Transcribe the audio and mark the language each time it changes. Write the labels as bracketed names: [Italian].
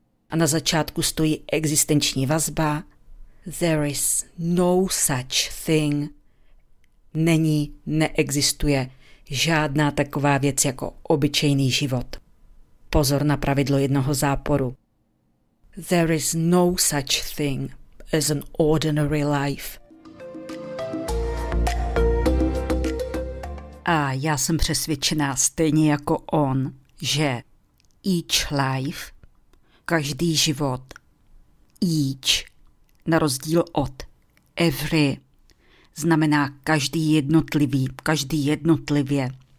[Czech] A na začátku stojí existenční vazba. [English] There is no such thing. [Czech] Není, neexistuje žádná taková věc jako obyčejný život. Pozor na pravidlo jednoho záporu. [English] There is no such thing as an ordinary life. [Czech] A já jsem přesvědčená stejně jako on, že [English] each life, [Czech] každý život, each, na rozdíl od every, znamená každý jednotlivý, každý jednotlivě.